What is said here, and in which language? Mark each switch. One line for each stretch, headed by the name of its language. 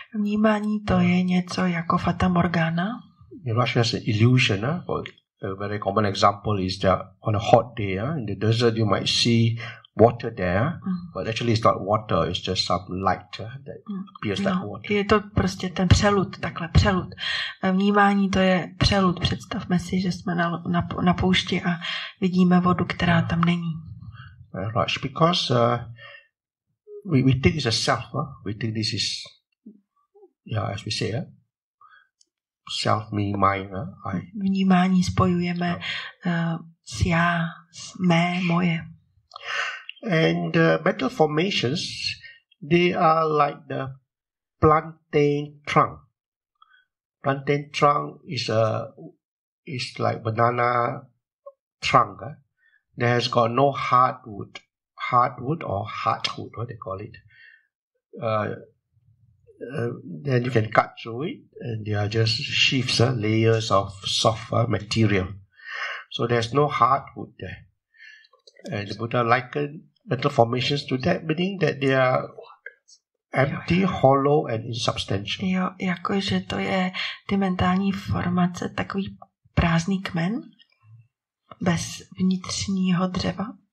Czech: Vnímání to je něco jako Fata Morgana.
English: Mirage is an illusion. A very common example is that on a hot day in the desert, you might see water there, but actually it's not water, it's just some light that appears like water.
Czech: Je to prostě ten přelud, takhle přelud. Vnímání to je přelud. Představme si, že jsme na poušti a vidíme vodu, která tam není.
English: Right, because we think it's a self. We think this is, yeah, as we say, self, me, mine.
Czech: Vnímání spojujeme s já, s mé, moje.
English: And metal formations, they are like the plantain trunk. Plantain trunk is like banana trunk. That has got no hardwood. Hardwood or heartwood, what they call it. Then you can cut through it, and they are just sheaths, layers of soft material. So there's no hardwood there. And the Buddha likened metal formations to that, meaning that they are empty, hollow and insubstantial.
Czech: Jo, jakože to je ty mentální formace, takový prázdný kmen bez vnitřního dřeva.